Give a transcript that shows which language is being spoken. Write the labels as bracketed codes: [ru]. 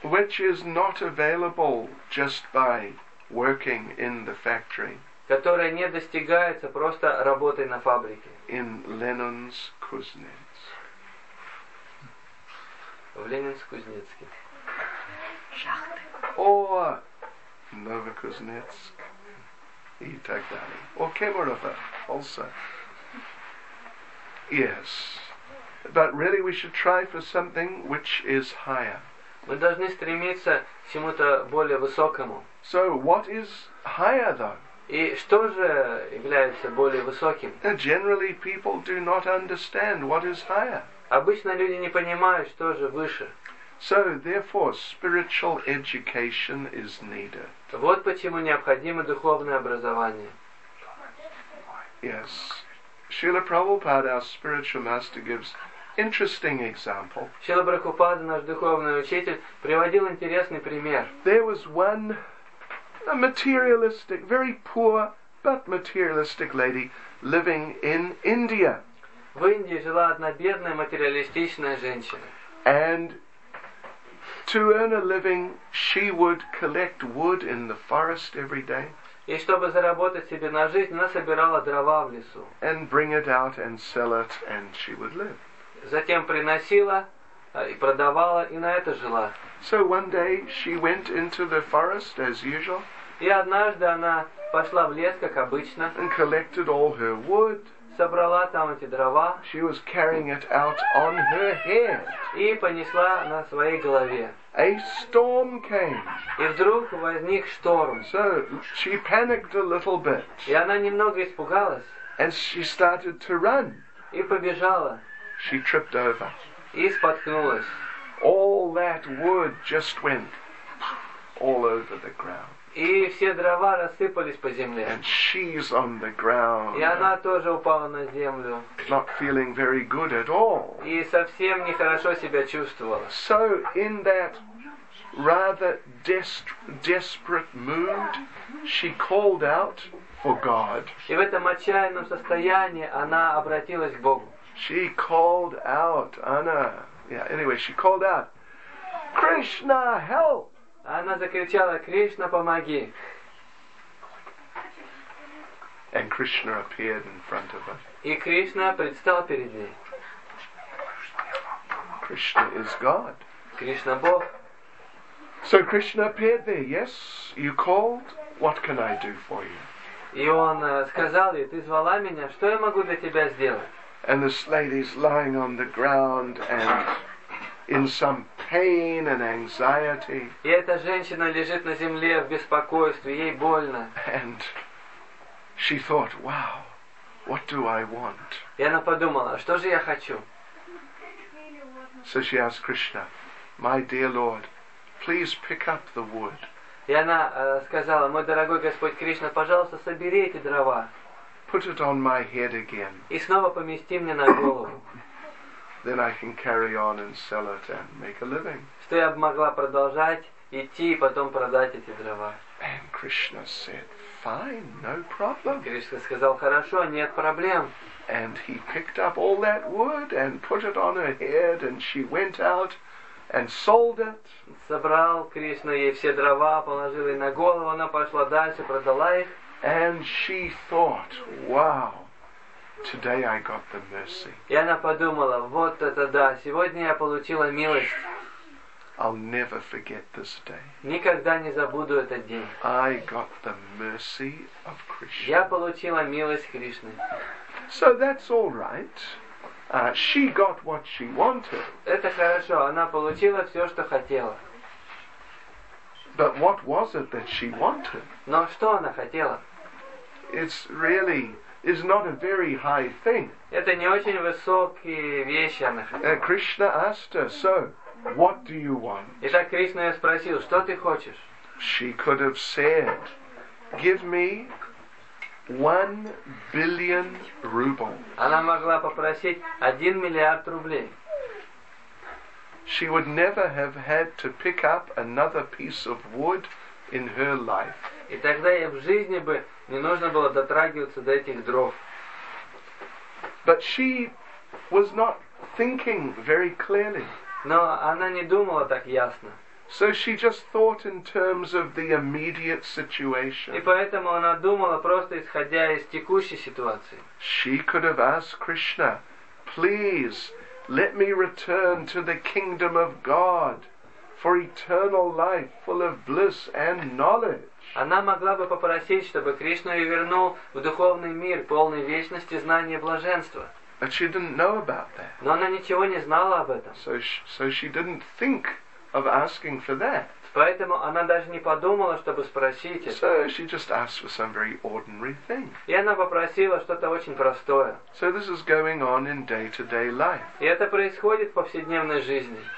[en] Which is not available just by working in the factory. [ru] Которая не достигается просто работой на фабрике. [en] In Lenin's Kuznets. [ru] В Ленинск-Кузнецке. Шахты. [en] Or [ru] Novokuznetsk и так далее. [en] Or Kemerovo also. Yes. But really we should try for something which is higher. [ru] Мы должны стремиться к чему-то более высокому. [en] So what is higher though? [ru] И что же является более высоким? [en] And generally people do not understand what is higher. [ru] Обычно люди не понимают, что же выше. [en] So therefore spiritual education is needed. [ru] Вот почему необходимо духовное образование. [en] Yes. Srila Prabhupada, our spiritual master, gives interesting example. [ru] Srila Prabhupada, наш духовный учитель, приводил интересный пример. [en] There was one a materialistic, very poor, but materialistic lady living in India. [ru] В Индии жила одна бедная материалистичная женщина. [en] And to earn a living, she would collect wood in the forest every day. [ru] И чтобы заработать себе на жизнь, она собирала дрова в лесу. [en] And bring it out and sell it, and she would live. [ru] Затем приносила и продавала, и на это жила. [en] So one day she went into the forest as usual. [ru] И однажды она пошла в лес, как обычно. [en] And collected all her wood. [ru] Собрала там эти дрова. [en] She was carrying it out on her head. [ru] И понесла на своей голове. [en] A storm came. [ru] И вдруг возник шторм. [en] So she panicked a little bit. [ru] И она немного испугалась. [en] And she started to run. [ru] И побежала. [en] She tripped over. [ru] И споткнулась. [en] All that wood just went all over the ground. [ru] И все дрова рассыпались по земле. [en] And she's on the ground. [ru] И она тоже упала на землю. [en] Not feeling very good at all. [ru] И совсем нехорошо себя чувствовала. [en] So in that rather desperate mood, she called out for God. [ru] И в этом отчаянном состоянии она обратилась к Богу. [en] She called out, Anna. Yeah, anyway, she called out, Krishna, help! [ru] Она закричала, Кришна, помоги. [en] And Krishna appeared in front of her. [ru] И Кришна предстал перед ней. [en] Krishna is God. [ru] Кришна Бог. [en] So Krishna appeared there. Yes, you called. What can I do for you? [ru] И он сказал ей, ты звала меня, что я могу для тебя сделать? [en] And this lady's lying on the ground and in some pain and anxiety. [ru] И эта женщина лежит на земле в беспокойстве, ей больно. [en] And she thought, wow, what do I want? [ru] И она подумала, что же я хочу? [en] So she asked Krishna, my dear Lord, please pick up the wood. [ru] И она сказала, мой дорогой Господь Кришна, пожалуйста, собери эти дрова. [en] Put it on my head again. [ru] И снова помести мне на голову. [en] Then I can carry on and sell it and make a living. [ru] Что я могла продолжать идти и потом продать эти дрова. [en] And Krishna said, fine, no problem. [ru] Кришна сказал, хорошо, нет проблем. [en] And he picked up all that wood and put it on her head and she went out and sold it. [ru] Собрал Кришна ей все дрова, положил ей на голову, она пошла дальше, продала их. [en] And she thought, wow, today I got the mercy. [ru] И она подумала, вот это да, сегодня я получила милость. [en] I'll never forget this day. [ru] Никогда не забуду этот день. [en] I got the mercy of Krishna. [ru] Я получила милость Кришны. [en] So that's all right. She got what she wanted. [ru] Это хорошо, она получила все, что хотела. [en] But what was it that she wanted? [ru] Но что она хотела? [en] It's really is not a very high thing. [ru] Это не очень высокие вещи она хотела. [en] Krishna asked her, so what do you want? [ru] Итак, Кришна ее спросил, что ты хочешь? [en] She could have said, give me 1 billion rubles. [ru] Она могла попросить 1 миллиард рублей. [en] She would never have had to pick up another piece of wood in her life. [ru] И тогда ей в жизни бы не нужно было дотрагиваться до этих дров. [en] But she was not thinking very clearly. [ru] Но она не думала так ясно. [en] So she just thought in terms of the immediate situation. [ru] И поэтому она думала просто исходя из текущей ситуации. [en] She could have asked Krishna, please. Let me return to the kingdom of God for eternal life full of bliss and knowledge. [ru] Она могла бы попросить, чтобы Кришна ее вернул в духовный мир, полный вечности знания блаженства. [en] But she didn't know about that. [ru] Но она ничего не знала об этом. [en] So she didn't think of asking for that. [ru] Поэтому она даже не подумала, чтобы спросить это. [en] So she just asked for some very ordinary thing. [ru] И она попросила что-то очень простое. [en] So this is going on in day-to-day life. [ru] И это происходит в повседневной жизни.